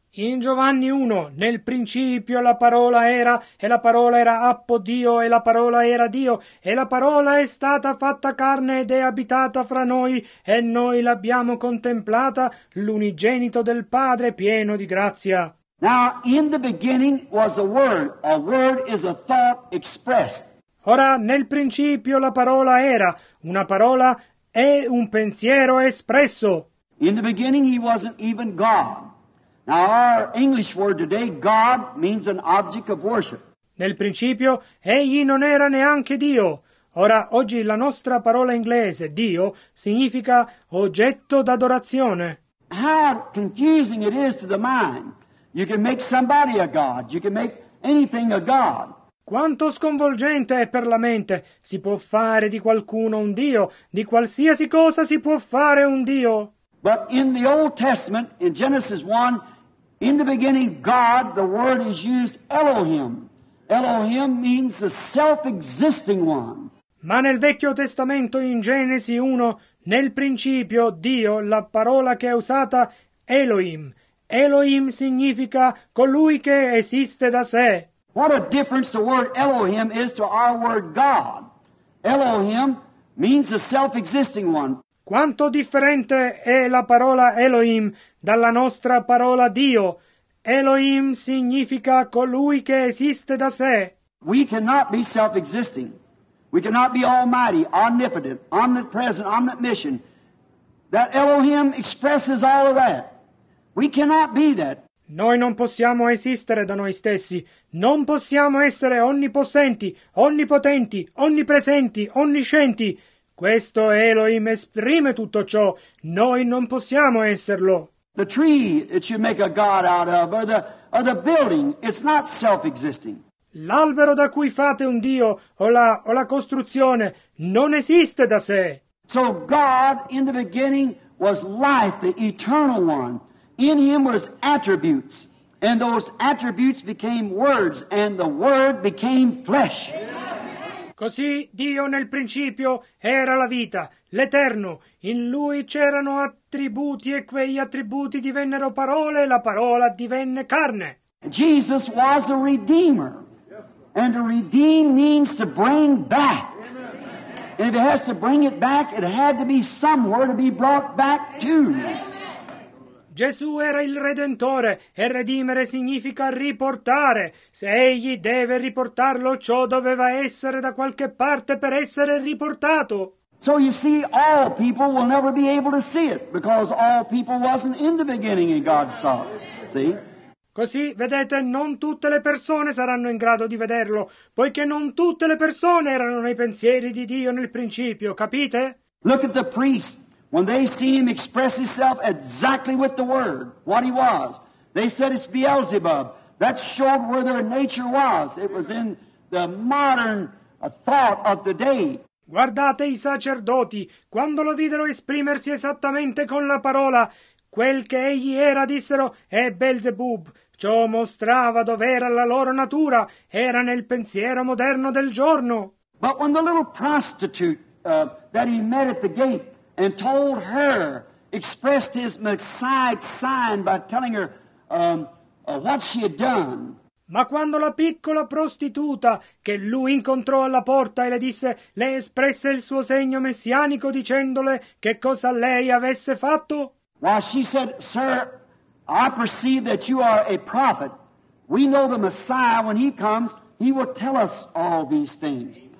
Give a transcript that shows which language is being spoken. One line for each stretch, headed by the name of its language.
Italian: In Giovanni 1, nel principio la parola era, e la parola era appo Dio, e la parola era Dio, e la parola è stata fatta carne ed è abitata fra noi, e noi l'abbiamo contemplata, l'unigenito del Padre pieno di grazia.
English: Now, in the beginning was a word. A word is a thought expressed.
Italian: Ora, nel principio la parola era, una parola è un pensiero espresso.
English: In the beginning He wasn't even God. Now our English word today, God, means an object of worship.
Italian: Nel principio, egli non era neanche Dio. Ora, oggi la nostra parola inglese, Dio, significa oggetto d'adorazione.
English: How confusing it is to the mind. You can make somebody a God. You can make anything a God.
Italian: Quanto sconvolgente è per la mente. Si può fare di qualcuno un Dio. Di qualsiasi cosa si può fare un Dio.
English: But in the Old Testament, in Genesis 1, in the beginning, God, the word is used Elohim. Elohim means the self-existing one.
Italian: Ma nel Vecchio Testamento, in Genesi 1, nel principio, Dio, la parola che è usata, Elohim. Elohim significa colui che esiste da sé.
English: What a difference the word Elohim is to our word God. Elohim means the self-existing one.
Italian: Quanto differente è la parola Elohim dalla nostra parola Dio. Elohim significa colui che esiste da sé.
English: We cannot be self-existing. We cannot be almighty, omnipotent, omnipresent, omniscient. That Elohim expresses all of that. We cannot be that.
Italian: Noi non possiamo esistere da noi stessi. Non possiamo essere onnipossenti, onnipotenti, onnipresenti, onniscienti. Questo Elohim esprime tutto ciò. Noi non possiamo esserlo.
English: The tree that you make a god out of, or the building, it's not self-existing.
Italian: L'albero da cui fate un dio, o la costruzione, non esiste da sé.
English: So God in the beginning was life, the eternal one. In Him was attributes, and those attributes became words, and the word became flesh.
Italian: Così Dio nel principio era la vita, l'Eterno. In Lui c'erano attributi e quegli attributi divennero parole e la parola divenne carne.
English: Jesus was a redeemer. And to redeem means to bring back. And if it has to bring it back, it had to be somewhere to be brought back to.
Italian: Gesù era il Redentore, e redimere significa riportare. Se egli deve riportarlo, ciò doveva essere da qualche parte per essere riportato.
English: So you see, all people will never be able to see it, because all people wasn't in the beginning in God's thought. See?
Italian: Così, vedete, non tutte le persone saranno in grado di vederlo, poiché non tutte le persone erano nei pensieri di Dio nel principio, capite?
English: Look at the priest. When they seen Him express Himself exactly with the Word, what He was, they said it's Beelzebub. That showed where their nature was. It was in the modern thought of the day.
Italian: Guardate i sacerdoti. Quando lo videro esprimersi esattamente con la parola, quel che egli era, dissero, è Beelzebub. Ciò mostrava dov'era la loro natura. Era nel pensiero moderno del giorno.
English: But when the little prostitute that He met at the gate and told her, expressed His Messiah sign by telling her what she had done.
Italian: Ma quando la piccola prostituta che lui incontrò alla porta e le disse, le espresse il suo segno messianico dicendole che cosa lei avesse fatto?
English: Well, she said, sir, I perceive that you are a prophet. We know the Messiah, when He comes, He will tell us all these things.